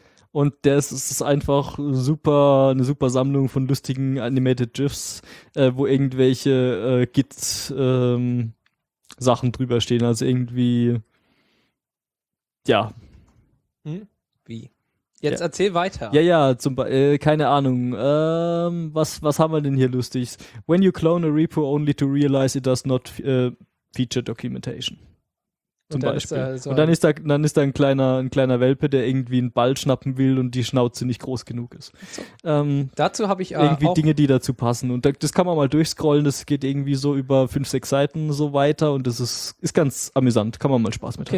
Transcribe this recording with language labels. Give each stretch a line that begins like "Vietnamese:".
German: Und das ist einfach super, eine super Sammlung von lustigen Animated GIFs, wo irgendwelche Git-Sachen drüber stehen. Also irgendwie, ja. Hm? Wie? Jetzt erzähl weiter. Ja, ja, zum keine Ahnung. Was haben wir denn hier Lustiges?
English: When you clone a repo only to realize it does not feature documentation.
German: Zum Beispiel. Und dann ist da, ein kleiner Welpe, der irgendwie einen Ball schnappen will und die Schnauze nicht groß genug ist. So. Dazu habe ich irgendwie auch Dinge, die dazu passen. Und das kann man mal durchscrollen, das geht irgendwie so über 5-6 Seiten so weiter und das ist ganz amüsant, kann man mal Spaß mit haben.